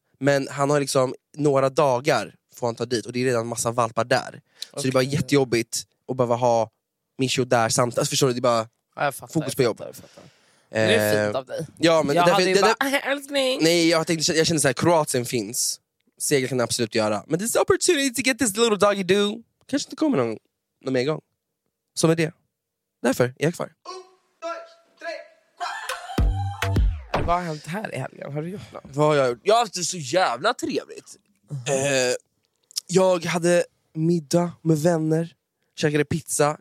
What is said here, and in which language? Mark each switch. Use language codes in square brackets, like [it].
[sv] Men han har liksom några dagar får han ta dit. Och det är redan massa valpar där. Okay. Så det är bara jättejobbigt att behöva ha Micho där samtidigt. Alltså, förstår du? Det är bara fokus på jobb. Det är fint av dig. Ja, men jag hade ju bara, älskning. Nej, jag känner såhär, Kroatien finns. Segel kan absolut göra. [en] Men this opportunity to get this little doggy do. [sv] Kanske inte kommer någon mer gång. Som är det. Därför är jag kvar. Vad har hänt här i helgen? Har du gjort något? Vad har jag gjort? Jag har haft det så jävla trevligt. Jag hade middag med vänner. Käkade pizza.